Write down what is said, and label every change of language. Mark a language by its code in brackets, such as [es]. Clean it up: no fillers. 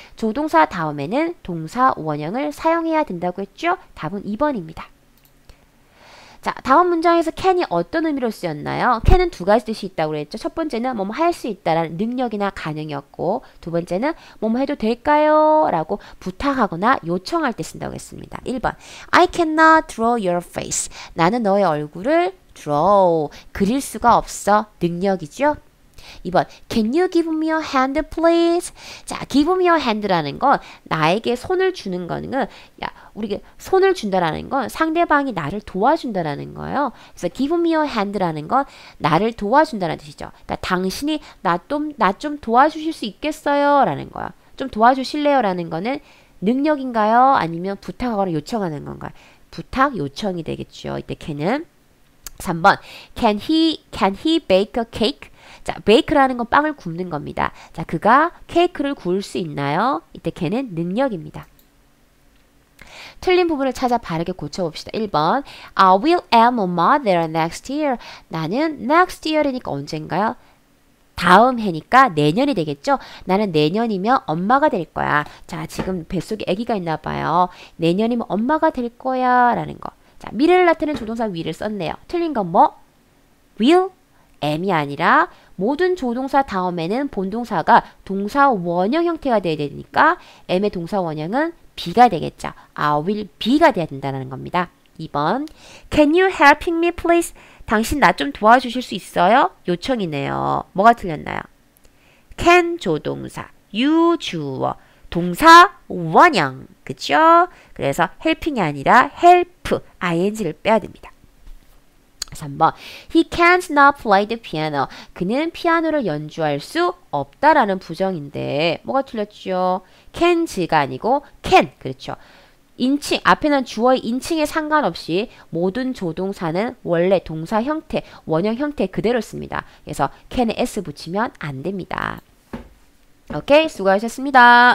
[ko] 조동사 다음에는 동사 원형을 사용해야 된다고 했죠. 답은 2번입니다. 자, 다음 문장에서 can이 어떤 의미로 쓰였나요? can은 두 가지 뜻이 있다고 그랬죠. 첫 번째는 뭐뭐 할수 있다라는 능력이나 가능이었고, 두 번째는 뭐뭐 해도 될까요? 라고 부탁하거나 요청할 때 쓴다고 했습니다. [en] 1번, I cannot draw your face. [ko] 나는 너의 얼굴을 draw. 그릴 수가 없어. 능력이죠? [en] 2번, Can you give me your hand, please? [ko] 자, [en] give me your hand [ko] 라는 건 나에게 손을 주는 거는, 야, 우리가 손을 준다라는 건 상대방이 나를 도와준다라는 거예요. 그래서 [en] give me your hand [ko] 라는 건 나를 도와준다는 뜻이죠. 그러니까 당신이 나좀 도와주실 수 있겠어요라는 거야. 좀 도와주실래요라는 거는 능력인가요? 아니면 부탁하거나 요청하는 건가요? 부탁 요청이 되겠죠. 이때 can은 3번, [en] Can he bake a cake? [ko] 자, bake라는 건 빵을 굽는 겁니다. 자, 그가 케이크를 구울 수 있나요? 이때 can은 능력입니다. 틀린 부분을 찾아 바르게 고쳐봅시다. [en] 1번, I will am a mother next year. [ko] 나는 next year이니까 언젠가요? 다음 해니까 내년이 되겠죠? 나는 내년이면 엄마가 될 거야. 자, 지금 뱃속에 아기가 있나 봐요. 내년이면 엄마가 될 거야 라는 거. 자, 미래를 나타내는 조동사 will을 썼네요. 틀린 건 뭐? will? am이 아니라 모든 조동사 다음에는 본동사가 동사 원형 형태가 되어야 되니까 am의 동사 원형은 be가 되겠죠. [en] I will be [ko] 가 되어야 된다는 겁니다. 2번. [en] Can you helping me please? [ko] 당신 나좀 도와주실 수 있어요? 요청이네요. 뭐가 틀렸나요? can 조동사, you 주어, 동사 원형. 그쵸? 그래서 helping이 아니라 help, ing를 빼야 됩니다. [en] 3번, He can't not play the piano. [ko] 그는 피아노를 연주할 수 없다라는 부정인데, 뭐가 틀렸죠? Can, 지가 아니고 can, 그렇죠? 인칭, 앞에는 주어의 인칭에 상관없이 모든 조동사는 원래 동사 형태, 원형 형태 그대로 씁니다. 그래서 can에 s 붙이면 안 됩니다. 오케이, 수고하셨습니다.